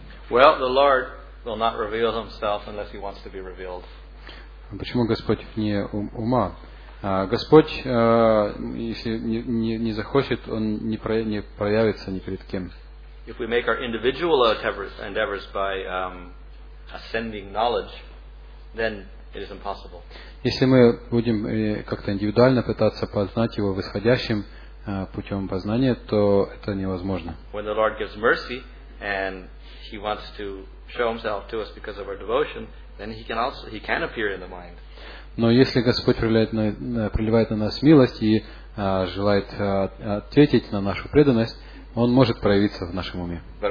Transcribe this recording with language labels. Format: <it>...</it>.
<en>Well, the Lord will not reveal himself unless he wants to be revealed.</en> <ru>Почему Господь вне ума? Господь, если не захочет, он не проявится ни перед кем.</ru> <en>If we make our individual endeavors by ascending knowledge, then it is impossible.</en> <ru>Если мы будем как-то индивидуально пытаться познать его восходящим путем познания, то это невозможно.</ru> <en>When the Lord gives mercy and he wants to show himself to us because of our devotion, then he can appear in the mind.</en> <ru>Но если Господь проливает на нас милость и желает ответить на нашу преданность, он может проявиться в нашем уме.</ru>